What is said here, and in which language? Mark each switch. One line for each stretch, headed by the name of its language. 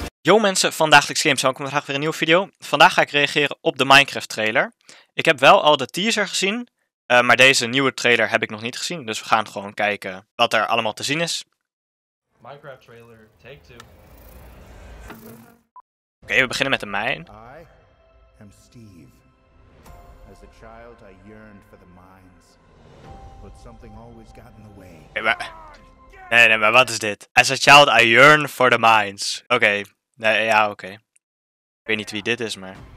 Dutch: Yo mensen van Dagelijks Games, welkom vandaag weer een nieuwe video. Vandaag ga ik reageren op de Minecraft trailer. Ik heb wel al de teaser gezien, maar deze nieuwe trailer heb ik nog niet gezien. Dus we gaan gewoon kijken wat er allemaal te zien is.
English: Minecraft trailer, take two.
Dutch: Oké, we beginnen met de mijn.
English: I am Steve. As a child, I yearned for the mines. But something always got in the way.
Dutch: Nee, maar wat is dit?
English: As a child, I yearn for the mines. Oké.
Dutch: Ik weet niet wie dit is, maar...